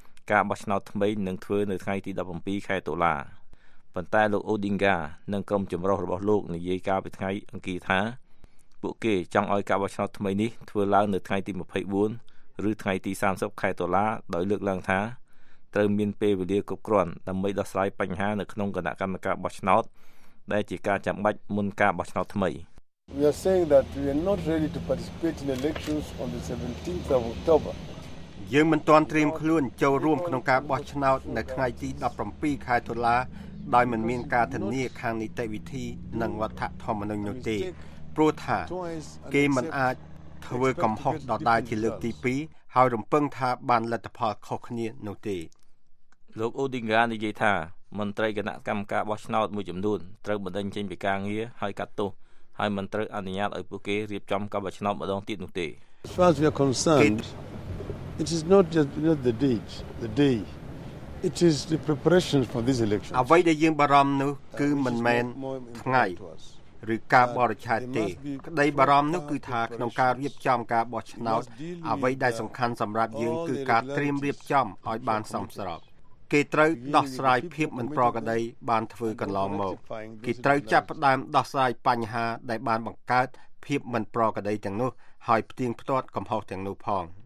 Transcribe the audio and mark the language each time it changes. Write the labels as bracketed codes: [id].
[km] ការបោះឆ្នោតថ្មីនឹងធ្វើនៅថ្ងៃទី17ខែតុលាប៉ុន្តែលោកអូឌីងហ្កានិងក្រុមចម្រុះរបស់លោកនិយាយកាលពីថ្ងៃអង្គារថា ពួកគេចង់ឲ្យការបោះឆ្នោតថ្មីនេះធ្វើឡើងនៅថ្ងៃទី24ឬថ្ងៃទី30ខែតុលាដោយលើកឡើងថាត្រូវមានពេលវេលាគ្រប់គ្រាន់ដើម្បីដោះស្រាយបញ្ហានៅក្នុងគណៈកម្មការបោះឆ្នោតដែលជាការចាំបាច់មុនការបោះឆ្នោតថ្មី [en] We are saying that we are not ready to participate in elections on the 17th of October [km] យើងមិនទាន់ត្រៀមខ្លួនចូលរួមក្នុងការបោះឆ្នោតនៅថ្ងៃទី17ខែតុលាដោយមិនមានការធានាខាងនីតិវិធីនិងវត្ថុធម្មនុញ្ញនោះទេព្រោះថាគេមិនអាចធ្វើកំហុសដដែលជាលើកទី2ហើយរំពឹងថាបានលទ្ធផលខុសគ្នានោះទេ លោកអូឌីងហ្កានិយាយថាមន្ត្រីគណៈកម្មការបោះឆ្នោតមួយចំនួនត្រូវបណ្ដឹងចេញពីការងារហើយកាត់ទោសហើយមិនត្រូវអនុញ្ញាតឲ្យពួកគេរៀបចំការបោះឆ្នោតម្ដងទៀតនោះទេ [en] As far as we are concerned it is not just you know, the day It is the preparation for this election. [km] អ្វីដែលយើងបារម្ភនោះគឺមិនមែនថ្ងៃឬការបរិច្ឆេទទេក្តីបារម្ភនោះគឺថាក្នុងការរៀបចំការបោះឆ្នោតអ្វីដែលសំខាន់សម្រាប់យើងគឺការត្រៀមរៀបចំឲ្យបានសមស្របគេត្រូវដោះស្រាយភាពមិនប្រក្រតីបានធ្វើកន្លងមកគេត្រូវចាប់ផ្ដើមដោះស្រាយបញ្ហាដែលបានបង្កើតភាពមិនប្រក្រតីទាំងនោះហើយផ្ទៀងផ្ទាត់កំហុសទាំងនោះផង